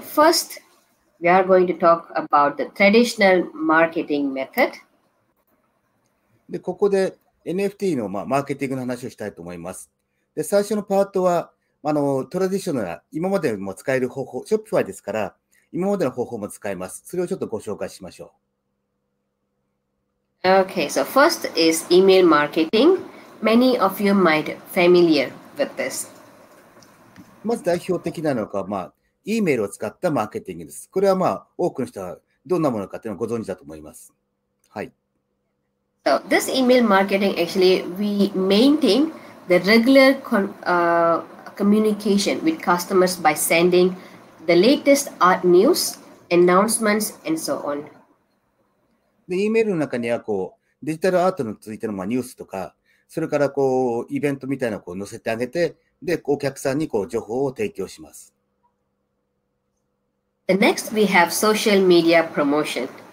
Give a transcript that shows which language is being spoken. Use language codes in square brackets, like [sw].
[en] First, we are going to talk about the traditional marketing method. [ja] でここで NFT の、まあ、マーケティングの話をしたいと思います。で最初のパートはトラディショナル、今までも使える方法、Shopifyですから、今までの方法も使えます。それをちょっとご紹介しましょう。 [en] Okay, so first is email marketing. Many of you might familiar with this. [ja] まず代表的なのが、まあ、E メールを使ったマーケティングです。これは、まあ、多くの人はどんなものかというのをご存知だと思います。はい。 [en] So this email marketing actually we maintain the regular communication with customers by sending the latest art news, announcements, and so on. [ja] で、E メールの中にはこうデジタルアートについてのニュースとか、それからこうイベントみたいなこう載せてあげて、でお客さんにこう情報を提供します。 [en] The next we have social media promotion.